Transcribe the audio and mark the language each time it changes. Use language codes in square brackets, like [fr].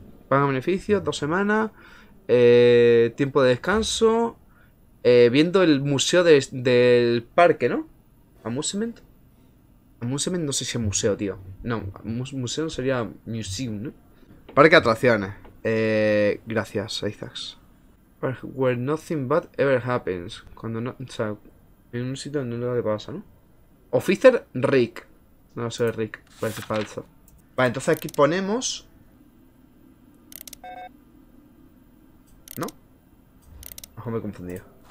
[es] Paga beneficios 2 semanas. Tiempo de descanso. Viendo el museo del parque, ¿no? Amusement. Amusement no sé si es museo, tío. No, museo sería museum, ¿no? Parque de atracciones. Gracias, Isaacs. [en] Where nothing bad ever happens. [es] Cuando no. O sea, en un sitio donde nada pasa, ¿no? Officer Rick. No sé, Rick. Parece falso. Vale, entonces aquí ponemos. Ojo, me he confundido.